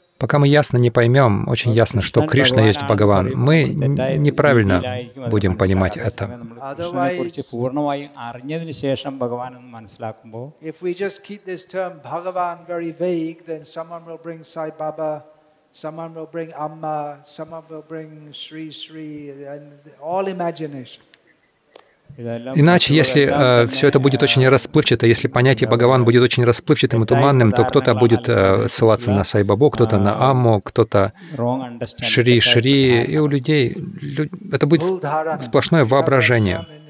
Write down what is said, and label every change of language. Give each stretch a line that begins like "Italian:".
Russian: Пока мы ясно не поймем, очень ясно, что Кришна есть Бхагаван, мы неправильно будем понимать это.
English: If we just keep this term Bhagavan very vague, then someone will bring Sai Baba, someone will bring Amma, someone will bring Sri Sri, and all imagination.
Russian: Иначе, если все это будет очень расплывчато, если понятие Бхагаван будет очень расплывчатым и туманным, то кто-то будет ссылаться на Сай Бабу, кто-то на Амму, кто-то Шри Шри, и у людей это будет сплошное воображение.